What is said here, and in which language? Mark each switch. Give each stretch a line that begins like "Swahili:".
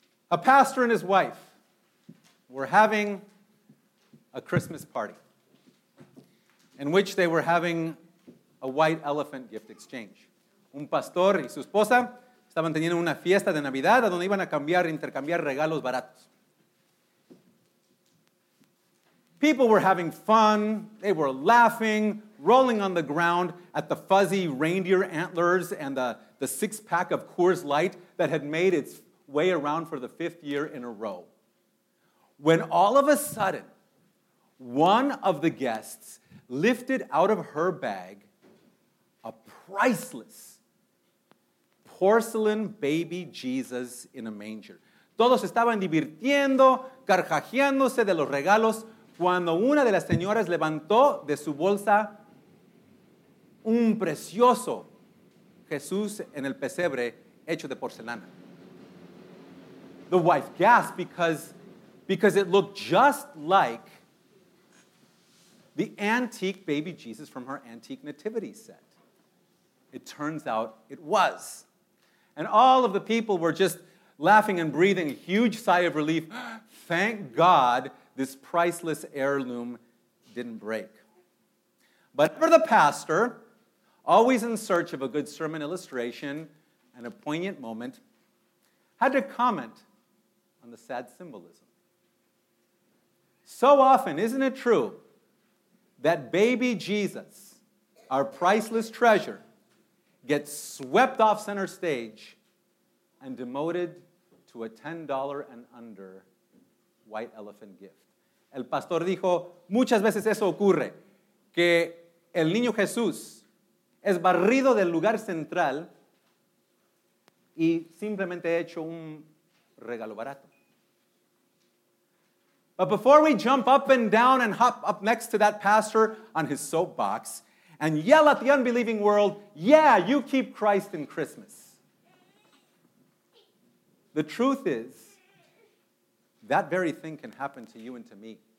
English: A pastor and his wife were having a Christmas party in which they were having a white elephant gift exchange.
Spanish: Un pastor y su esposa estaban teniendo una fiesta de Navidad a donde iban a cambiar, intercambiar regalos baratos.
English: People were having fun, they were laughing, rolling on the ground at the fuzzy reindeer antlers and the six-pack of Coors Light that had made its way around for the fifth year in a row, when all of a sudden, one of the guests lifted out of her bag a priceless porcelain baby Jesus in a manger.
Spanish: Todos estaban divirtiendo, carcajeándose de los regalos, cuando una de las señoras levantó de su bolsa un precioso Jesús en el pesebre hecho de porcelana.
English: The wife gasped because it looked just like the antique baby Jesus from her antique nativity set. It turns out it was. And all of the people were just laughing and breathing a huge sigh of relief. Thank God this priceless heirloom didn't break. But for the pastor, always in search of a good sermon illustration and a poignant moment, had to comment on the sad symbolism. So often, isn't it true that baby Jesus, our priceless treasure, gets swept off center stage and demoted to a $10 and under white elephant gift?
Spanish: El pastor dijo, muchas veces eso ocurre, que el niño Jesús es barrido del lugar central y simplemente hecho un regalo barato.
English: But before we jump up and down and hop up next to that pastor on his soapbox and yell at the unbelieving world, yeah, you keep Christ in Christmas. The truth is, that very thing can happen to you and to me.